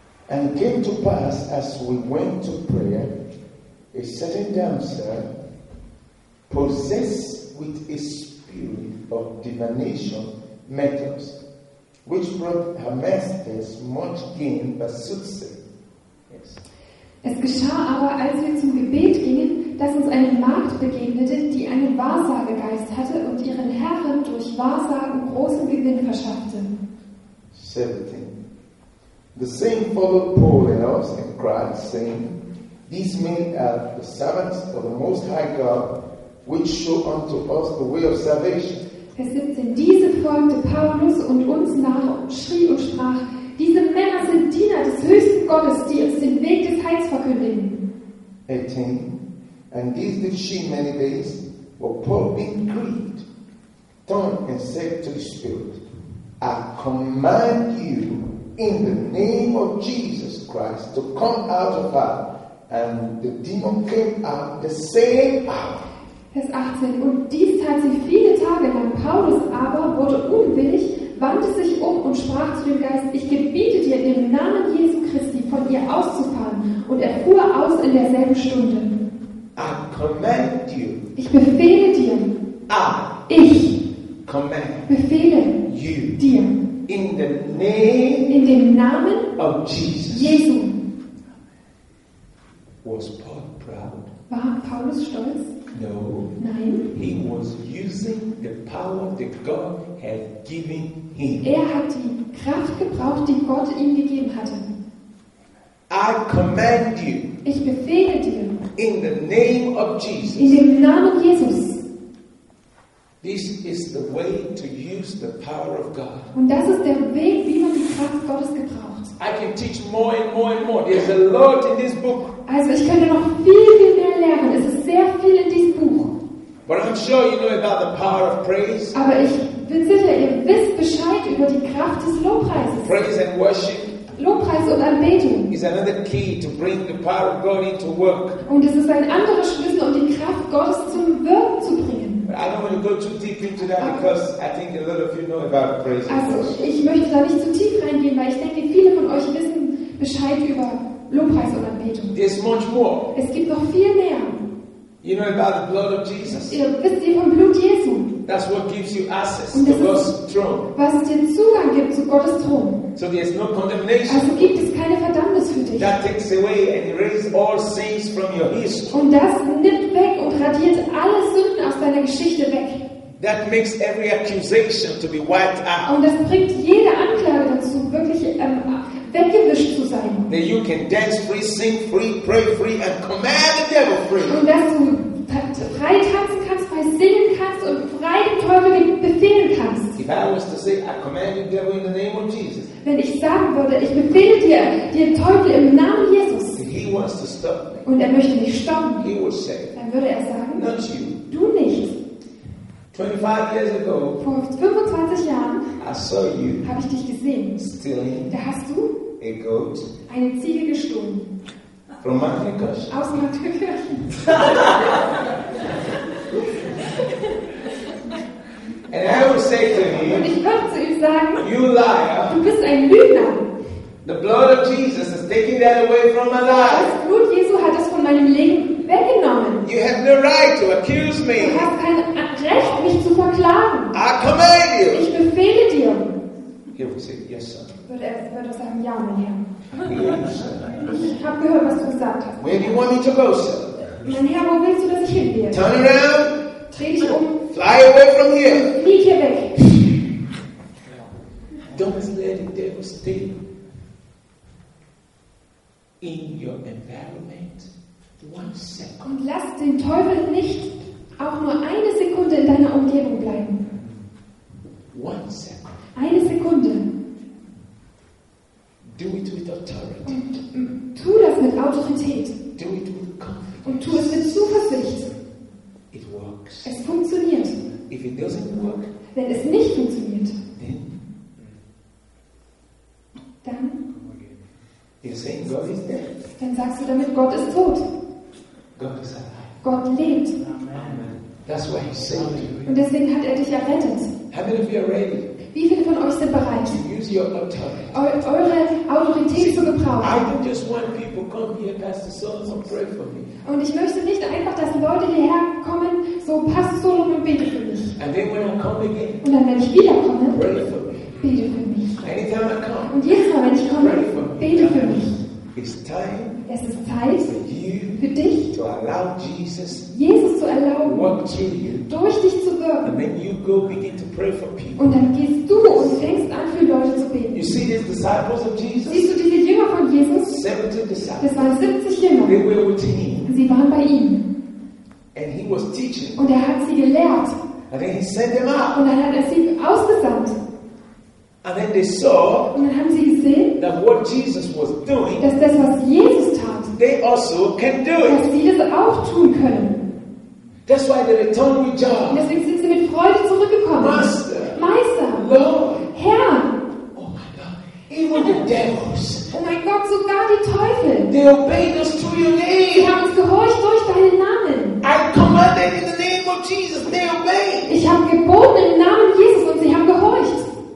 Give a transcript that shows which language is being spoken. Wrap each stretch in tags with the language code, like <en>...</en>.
<en>And it came to pass as we went to prayer, a certain damsel, possessed with a spirit of divination, met us, which brought her masters much gain by soothsaying. Yes.</en> <de>Es geschah aber, als wir zum Gebet gingen, dass uns eine Magd begegnete, die einen Wahrsagegeist hatte und ihren Herren durch Wahrsagen großen Gewinn verschaffte.</de> <en>17. The same followed Paul and us and cried, saying, These men are the servants of the Most High God, which show unto us the way of salvation.</en> <de>Vers 17. Diese folgte Paulus und uns nach und schrie und sprach, Diese Männer sind Diener des höchsten Gottes, die uns den Weg des Heils verkündigen.</de> <en>18. And this did she many days, but Paul being grieved, turned and said to the Spirit, I command you, in the name of Jesus Christ, to come out of her. And the demon came out the same hour.</en> <de>Vers 18. Und dies tat sie viele Tage lang. Paulus aber wurde unwillig, wandte sich um und sprach zu dem Geist, Ich gebiete dir, im Namen Jesu Christi, von ihr auszufahren. Und er fuhr aus in derselben Stunde.</de> <en>I command you.</en> <de>Ich befehle dir. Ich</de> <en>command.</en> <de>Befehle.</de> <en>You.</en> <de>Dir.</de> <en>In the name.</en> <de>In dem Namen.</de> <en>Of Jesus.</en> <de>Jesu.</de> <en>Was Paul proud?</en> <de>War Paulus stolz?</de> <en>No.</en> <de>Nein.</de> <en>He was using the power that God had given him.</en> <de>Er hat die Kraft gebraucht, die Gott ihm gegeben hatte.</de> <en>I command you.</en> <de>Ich befehle dir.</de> <en>In the name of Jesus.</en> <de>In dem Namen Jesus.</de> <en>This is the way to use the power of God.</en> <de>Und das ist der Weg, wie man die Kraft Gottes gebraucht.</de> <en>I can teach more and more and more. There's a lot in this book.</en> <de>Also ich könnte noch viel, viel mehr lernen. Es ist sehr viel in diesem Buch.</de> <en>But I'm sure you know about the power of praise.</en> <de>Aber ich bin sicher, ihr wisst Bescheid über die Kraft des Lobpreises.</de> <en>Praise and worship.</en> <de>Lobpreis und Anbetung.</de> <en>Is another key to bring the power of God into work.</en> <de>Und es ist ein anderer Schlüssel, um die Kraft Gottes zum Wirken zu bringen.</de> <en>But I don't want to go too deep into that because I think a lot of you know about praise.</en> <de>Also, ich möchte da nicht zu tief reingehen, weil ich denke, viele von euch wissen Bescheid über Lobpreis und Anbetung.</de> <en>There's much more.</en> <de>Es gibt noch viel mehr.</de> <en>You know about the blood of Jesus.</en> <de>Wisst ihr vom Blut Jesu?</de> <en>That's what gives you access to God's throne.</en> <de>Was dir Zugang gibt zu Gottes Thron.</de> <en>So there's no condemnation.</en> <de>Also gibt es keine Verdammnis für dich.</de> <en>That takes away and erases all sins from your history.</en> <de>Und das nimmt weg und radiert alle Sünden aus deiner Geschichte weg.</de> <en>That makes every accusation to be wiped out.</en> <de>Und das bringt jede Anklage dazu, wirklich weggewischt zu sein.</de> <en>That you can dance free, sing free, pray free and command the devil free.</en> <de>Und dass du frei tanzen kannst, frei singen kannst und frei dem Teufel befehlen kannst.</de> <en>If I was to say, I command you, devil, in the name of Jesus.</en> <de>Wenn ich sagen würde, ich befehle dir, den Teufel im Namen Jesus.</de> <en>He wants to stop me.</en> <de>Und er möchte mich stoppen.</de> <en>He would say,</en> <de>dann würde er sagen,</de> <en>not you.</en> <de>Du nicht.</de> <en>25 years ago,</en> <de>vor 25 Jahren</de> <en>I saw you</en> <de>habe ich dich gesehen.</de> <en>Stealing</en> <de>da hast du</de> <en>a goat</en> <de>eine Ziege gestohlen.</de> <en>From Martinkirchen.</en> <de>Aus Martinkirchen.</de> <en>And I will say to him,</en> <de>und ich würde zu ihm sagen,</de> <en>you liar,</en> <de>du bist ein Lügner.</de> <en>The blood of Jesus is taking that away from my life.</en> <de>Das Blut Jesu hat es von meinem Leben weggenommen.</de> <en>You have no right to accuse me.</en> <de>Du hast kein Recht, mich zu verklagen.</de> <en>I command you.</en> <de>Ich befehle dir.</de> <en>He would say, yes, sir.</en> <de>Würde er sagen, ja, mein Herr.</de> <en>Yes.</en> <de>Ich habe gehört, was du gesagt hast.</de> <en>Where do you want me to go, sir?</en> <de>Mein Herr, wo willst du, dass ich hingehe?</de> <en>Turn around.</en> <de>Dreh dich um.</de> <en>Fly away from here.</en> <de>Flieg hier weg.</de> <en>always let the devil stay in your environment 1 second.</en> <de>Und lass den Teufel nicht auch nur eine Sekunde in deiner Umgebung bleiben.</de> <en>1 second.</en> <de>Eine Sekunde.</de> <en>Do it with authority.</en> <de>Und tu das mit Autorität.</de> <en>Do it with confidence.</en> <de>Und tu es mit Zuversicht.</de> <en>It works.</en> <de>Es funktioniert.</de> <en>If it doesn't work,</en> <de>wenn es nicht funktioniert,</de> <en>then,</en> <de>dann,</de> <en>you're saying God is dead.</en> <de>Dann sagst du damit, Gott ist tot.</de> <en>God is alive.</en> <de>Gott lebt.</de> <en>Amen. That's why he saved you.</en> <de>Und deswegen hat er dich errettet.</de> <en>How many of you are ready?</en> <de>Wie viele von euch sind bereit,</de> <en>use your authority.</en> <de>Eure Autorität zu gebrauchen?</de> <en>I don't just want people come here, Pastor Solomon, and pray for me.</en> <de>Und ich möchte nicht einfach, dass Leute hierher kommen, so Pastor Solomon, bete für mich.</de> <en>And then when I come again,</en> <de>und dann, wenn ich wiederkomme,</de> <en>pray for me.</en> <de>Bete für mich.</de> <en>Anytime I come,</en> <de>und jedes Mal, wenn ich komme,</de> <en>pray for me.</en> <de>Bete für mich.</de> <en>It's time.</en> <de>Es ist Zeit</de> <en>for you,</en> <de>für dich,</de> <en>to allow Jesus,</en> <de>Jesus zu erlauben,</de> <en>work through you,</en> <de>durch dich zu wirken.</de> <en>And then you go begin to pray for people.</en> <de>Und dann gehst du und fängst an, für Leute zu beten.</de> <en>You see these disciples of Jesus?</en> <de>Siehst du diese Jünger von Jesus?</de> <en>70 disciples.</en> <de>Das waren 70 Jünger.</de> <en>They were with him.</en> <de>Und sie waren bei ihm.</de> <en>And he was teaching.</en> <de>Und er hat sie gelehrt.</de> <en>And then he sent them out.</en> <de>Und dann hat er sie ausgesandt.</de> <en>And then they saw,</en> <de>und dann haben sie gesehen,</de> <en>that what Jesus was doing,</en> <de>dass das, was Jesus tat,</de> <en>they also can do it.</en> <de>Dass sie das auch tun können.</de> <en>That's why they returned with joy.</en> <de>Und deswegen sind sie mit Freude zurückgekommen. Meister, Lord, Herr.</de> <en>Oh my God, even the devils.</en> <de>Oh mein Gott, sogar die Teufel.</de> <en>They obeyed us to your name.</en> <de>Sie haben uns gehorcht durch deinen Namen.</de> <en>I commanded in the name of Jesus, they obeyed.</en> <de>Ich habe geboten im Namen Jesus und sie haben gehorcht.</de>